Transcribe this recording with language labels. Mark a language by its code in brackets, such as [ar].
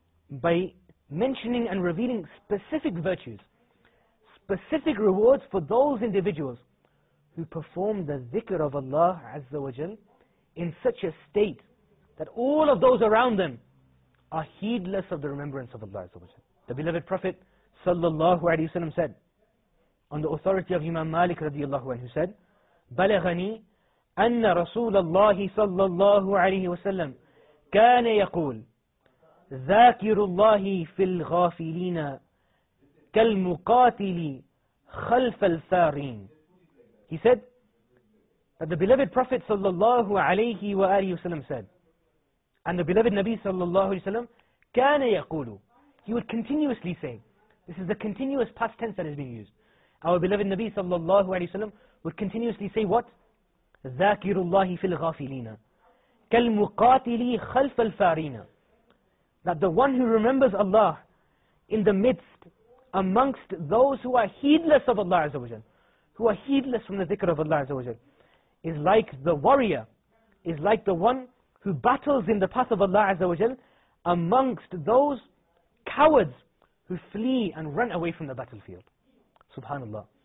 [en] By mentioning and revealing specific virtues, specific rewards for those individuals who perform the dhikr of Allah Azza wa Jal in such a state that all of those around them are heedless of the remembrance of Allah Azza wa Jal. The beloved Prophet sallallahu alayhi wa sallam said, on the authority of Imam Malik radiallahu anhu, said, [ar] بَلَغَنِي أَنَّ رَسُولَ اللَّهِ صَلَّى اللَّهُ عَلَيْهِ وَسَلَّمْ كَانَ يَقُولُ ذاكر الله في الغافلين كالمقاتل خلف الثارين. [en] He said that the beloved Prophet sallallahu alayhi wa alihi wasallam said, and the beloved Nabi sallallahu alayhi wasallam [ar] كان يقول, [en] he would continuously say, this is the continuous past tense that is being used. Our beloved Nabi sallallahu alayhi wasallam would continuously say what? [ar] ذاكر الله في الغافلين كالمقاتل خلف الفارين. [en] That the one who remembers Allah in the midst, amongst those who are heedless of Allah Azza wa Jal, who are heedless from the dhikr of Allah Azza wa Jal, is like the warrior, is like the one who battles in the path of Allah Azza wa Jal amongst those cowards who flee and run away from the battlefield. Subhanallah.